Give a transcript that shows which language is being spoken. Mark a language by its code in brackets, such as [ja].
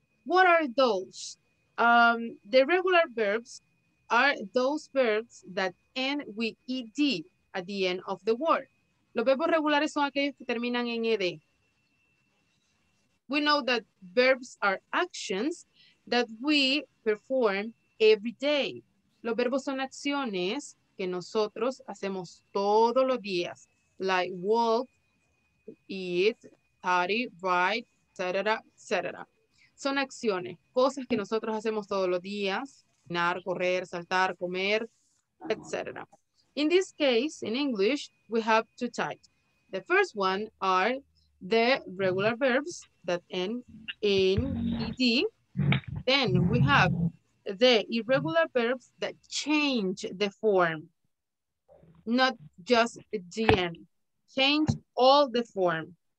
[en] What are those? The regular verbs are those verbs that end with ed at the end of the word. [es] Los verbos regulares son aquellos que terminan en ed. [en] We know that verbs are actions that we perform every day. [es] Los verbos son acciones que nosotros hacemos todos los días, [en] like walk, eat, study, write, etc., etc. [es] Son acciones, cosas que nosotros hacemos todos los días, caminar, correr, saltar, comer, etc. [en] In this case, in English, we have two types. The first one are the regular verbs that end in ed. Then we have the irregular verbs that change the form, not just the end, change all the form.